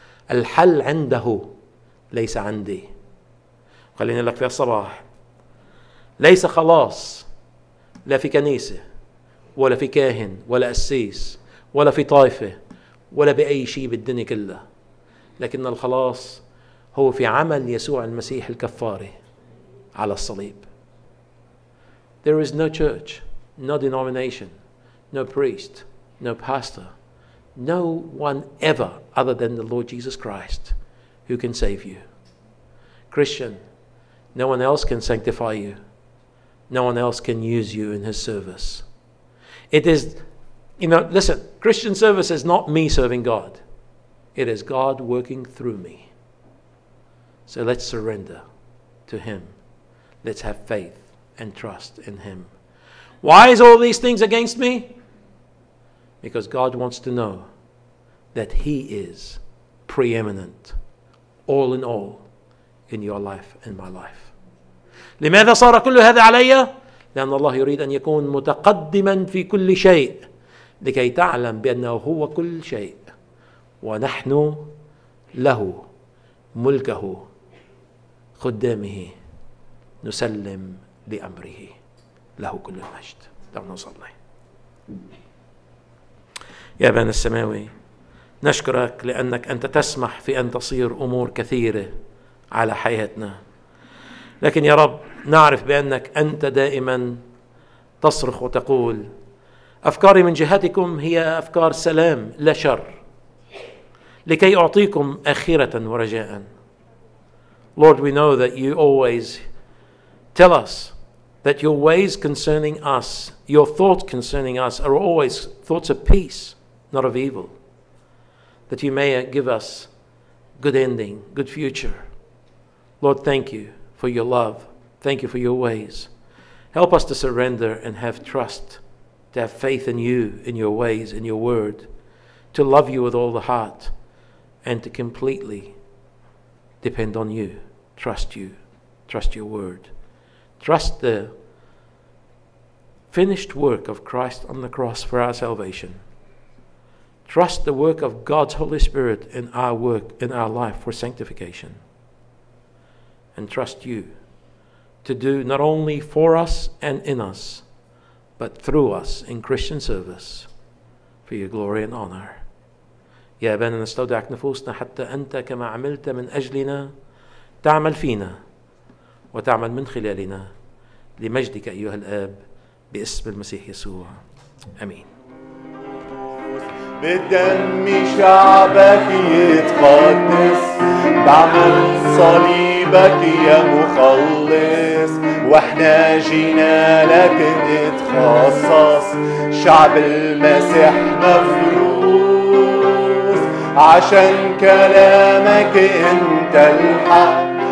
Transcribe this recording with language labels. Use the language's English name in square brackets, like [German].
[Arabic] الحل عنده ليس عندي. خليني لك في الصباح، ليس خلاص لا في كنيسة ولا في كاهن ولا أسيس ولا في طائفة ولا بأي شيء بالدنيا كلها، لكن الخلاص هو في عمل يسوع المسيح الكفاري على الصليب. [English] There is no church, no denomination, no priest, no pastor, no one ever other than the Lord Jesus Christ who can save you. Christian, no one else can sanctify you. No one else can use you in his service. It is, you know, listen, Christian service is not me serving God. It is God working through me. So let's surrender to Him. Let's have faith and trust in Him. Why is all these things against me? Because God wants to know that He is preeminent, all in all, in your life and my life. [Arabic] لماذا صار كل هذا علي؟ لأن الله يريد أن يكون متقدما في كل شيء، لكي تعلم بأنه هو كل شيء، ونحن له ملكه خدامه، نسلم لأمره، له كل المجد. دعونا نصلي. يا أبانا السماوي، نشكرك لأنك أنت تسمح في أن تصير أمور كثيرة على حياتنا، لكن يا رب نعرف بأنك أنت دائما تصرخ وتقول أفكاري من جهتكم هي أفكار سلام لا شر، لكي أعطيكم آخرة ورجاء. [English] Lord, we know that you always tell us that your ways concerning us, your thoughts concerning us are always thoughts of peace, not of evil, that you may give us good ending, good future. Lord, thank you for your love. Thank you for your ways. Help us to surrender and have trust, to have faith in you, in your ways, in your word, to love you with all the heart, and to completely depend on you, trust you, trust your word. Trust the finished work of Christ on the cross for our salvation. Trust the work of God's Holy Spirit in our work, in our life for sanctification. And trust you to do not only for us and in us, but through us in Christian service for your glory and honor. [Arabic] يا أبانا نستودعك نفوسنا حتى أنت كما عملت من أجلنا تعمل فينا وتعمل من خلالنا لمجدك أيها الآب باسم المسيح يسوع. أمين. بالدم شعبك يتقدس، بعمل صليبك يا مخلص، واحنا جينا لك نتخصص، شعب المسيح مفروض، عشان كلامك انت الحق،